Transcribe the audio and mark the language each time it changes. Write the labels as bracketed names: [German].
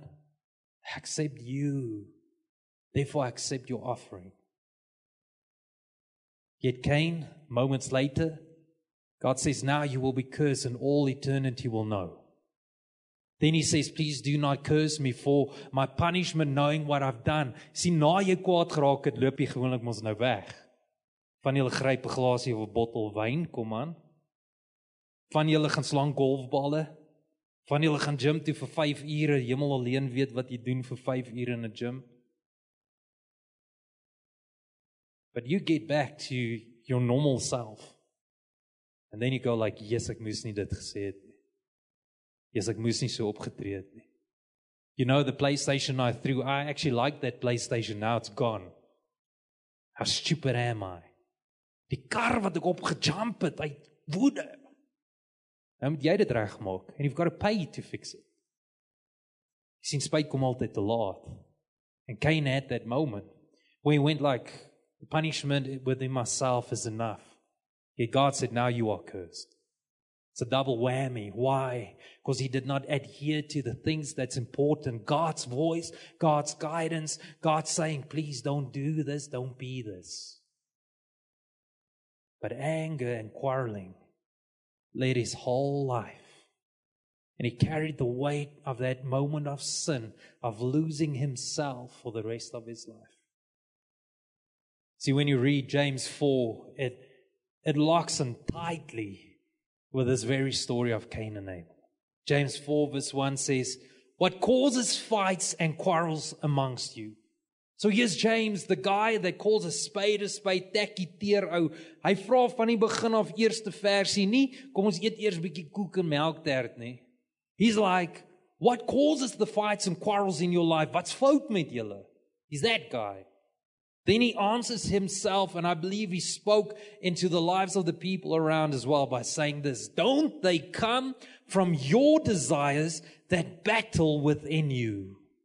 [English] I accept you. Therefore, I accept your offering. Yet Cain, moments later, God says, now you will be cursed and all eternity will know. Then he says, please do not curse me for my punishment, knowing what I've done. [Afrikaans] See, na jy kwaad geraak het, loop jy gewoonlik mos nou weg. Van julle gryp 'n glasie of 'n bottel wyn, kom aan. Van julle gaan slaan golfballe. Van julle gaan gym toe vir 5 ure, hemel alleen weet wat jy doen vir 5 ure in 'n gym. [English] But you get back to your normal self. And then you go like, yes, [Afrikaans] ek moes nie dit gesê het. [English] Yes, [Afrikaans] ek moes nie so opgetree het nie. [English] You know, the PlayStation I threw, I actually like that PlayStation, now it's gone. How stupid am I? [Afrikaans] Die kar wat ek opgejump het, uit woede. Nou moet jy dit regmaak, [English] and you've got to pay to fix it. [Afrikaans] Jy sien, spyt kom altyd te laat. [English] And Cain had that moment, where he went like, the punishment within myself is enough. Yet God said, now you are cursed. It's a double whammy. Why? Because he did not adhere to the things that's important. God's voice, God's guidance, God saying, please don't do this, don't be this. But anger and quarreling led his whole life. And he carried the weight of that moment of sin, of losing himself for the rest of his life. See, when you read James 4, it locks in tightly with this very story of Cain and Abel. James 4 verse 1 says, what causes fights and quarrels amongst you? So here's James, the guy that calls a spade, tekkie teero. [Afrikaans] Hy vra van die begin af eerste versie nie, kom ons eet eers bietjie koek en melk tert nie. [English] He's like, what causes the fights and quarrels in your life? [Afrikaans] Wat's fout met julle? [English] He's that guy. Then he answers himself, and I believe he spoke into the lives of the people around as well by saying this, don't they come from your desires that battle within you?